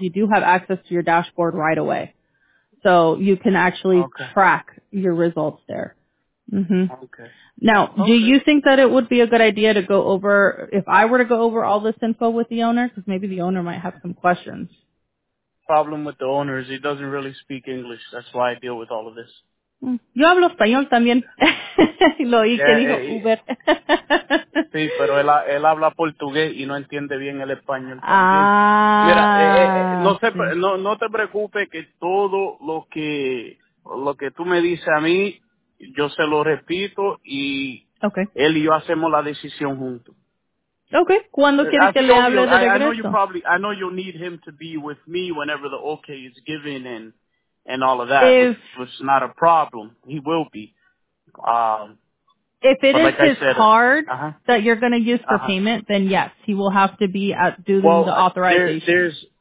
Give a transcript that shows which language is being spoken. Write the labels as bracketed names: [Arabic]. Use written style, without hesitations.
[English] You do have access to your dashboard right away. So you can actually track your results there. Okay. Now, do you think that it would be a good idea to go over, if I were to go over all this info with the owner, because maybe the owner might have some questions. Problem with the owner is he doesn't really speak English. That's why I deal with all of this. [Spanish] Yo hablo español también. Lo oí que dijo Uber. Sí, pero él habla portugués y no entiende bien el español. Ah. No te preocupes que todo lo que tú me dices a mí, yo se lo repito y él y yo hacemos la decisión juntos. [English] Okay. [Spanish] ¿Cuándo quieres que le hable de regreso? [English] I know you need him to be with me whenever the okay is given and all of that. It's not a problem. He will be. If it is like his said, card that you're going to use for payment, then yes, he will have to be at doing the authorization.